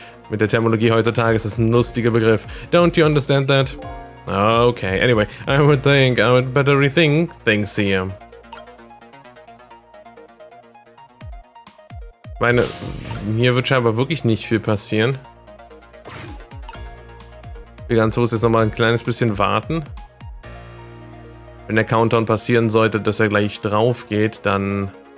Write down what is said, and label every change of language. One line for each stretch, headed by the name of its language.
German: Mit der Terminologie heutzutage ist das ein lustiger Begriff.
English: Don't you understand that? Okay, anyway, I would think I would better rethink things here.
German: Meine, hier wird scheinbar wirklich nicht viel passieren. Wir ganz kurz jetzt nochmal ein kleines bisschen warten. Wenn der Countdown passieren sollte, dass er gleich drauf geht, dann...